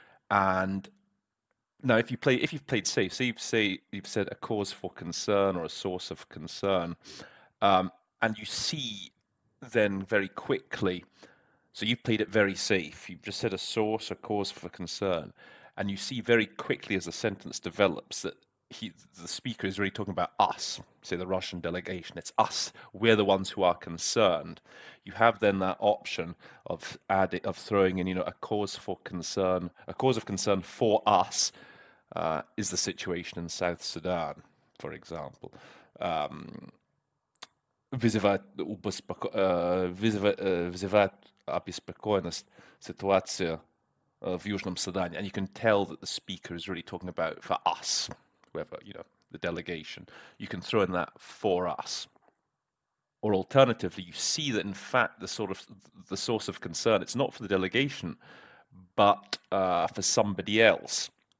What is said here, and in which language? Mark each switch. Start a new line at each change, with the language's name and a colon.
English: And now if you've played safe, so you've said a cause for concern or a source of concern, and you see then very quickly, so you've played it very safe, you've just said a source, a cause for concern, and you see very quickly as the sentence develops that the speaker is really talking about us, say the Russian delegation, it's us, we're the ones who are concerned. You have then that option of throwing in, you know, a cause of concern for us is the situation in South Sudan, for example.
Russian: Вызывает обеспокоенность ситуация в Южном Судане.
English: And you can tell that the speaker is really talking about for us. Whoever, you know, the delegation, you can throw in that for us. Or alternatively, you see that in fact the source of concern, it's not for the delegation, but for somebody else.